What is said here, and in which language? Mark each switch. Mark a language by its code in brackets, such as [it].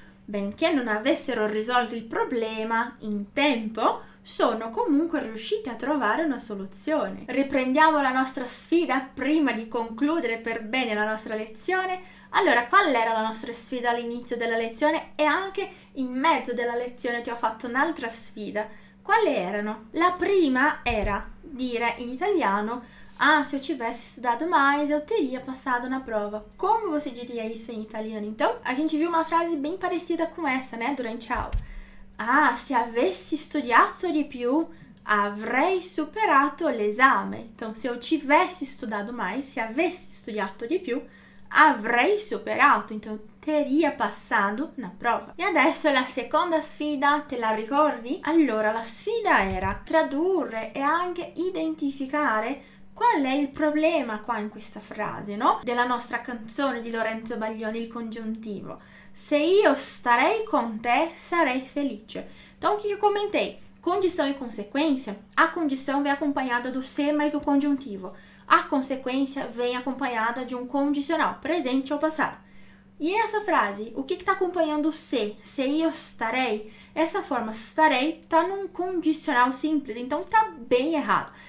[it] Benché non avessero risolto il problema in tempo, sono comunque riusciti a trovare una soluzione. Riprendiamo la nostra sfida prima di concludere per bene la nostra lezione. Allora, qual era la nostra sfida all'inizio della lezione e anche in mezzo della lezione ti ho fatto un'altra sfida? Quali erano? La prima era dire in italiano: [pt] Ah, se eu tivesse estudado mais, eu teria passado na prova. Como você diria isso em italiano? Então, a gente viu uma frase bem parecida com essa, né, durante a aula. [it] Ah, se avessi studiato di più, avrei superato l'esame. [pt] Então, se eu tivesse estudado mais, [it] se avessi studiato di più, avrei superato, [pt] então teria passado na prova. [it] E adesso la seconda sfida, te la ricordi? Allora, la sfida era tradurre e anche identificare qual è il problema qua in questa frase, [pt] no? [it] Della nostra canzone di Lorenzo Baglioni, il congiuntivo. Se io starei con te, sarei felice. [pt] Então, o que eu comentei? Condição e consequência. A condição vem acompanhada do se mais o congiuntivo. A consequência vem acompanhada de um condicional, presente ou passado. E essa frase, o que está acompanhando se? Se eu estarei? Essa forma estarei está num condicional simples, então está bem errado.